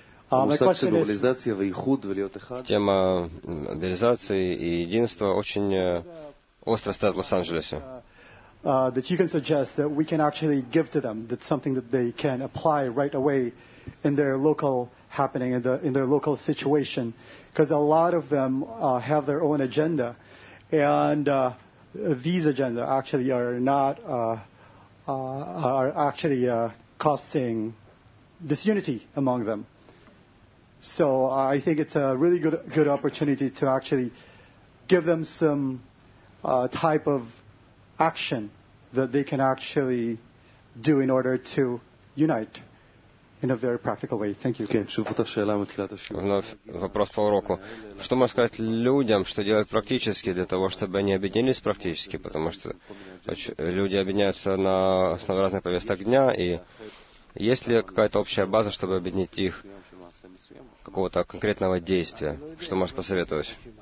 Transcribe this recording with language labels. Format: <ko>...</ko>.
<ru>Тема мобилизации и единства очень остро стоит в Лос-Анджелесе.</ru> <en>That you can suggest that we can actually give to them, that's something that they can apply right away in their local happening, in their local situation, because a lot of them have their own agenda, and these agenda actually are not are actually causing disunity among them. So I think it's a really good opportunity to actually give them some type of action that they can actually do in order to unite in a very practical way. Thank you.</en> <ru>Вопрос по уроку. Что можно сказать людям, что делать практически для того, чтобы они объединились практически, потому что люди объединяются на основе разных повесток дня, и есть ли какая-то общая база, чтобы объединить их? Какого-то конкретного действия, что можешь посоветовать?</ru>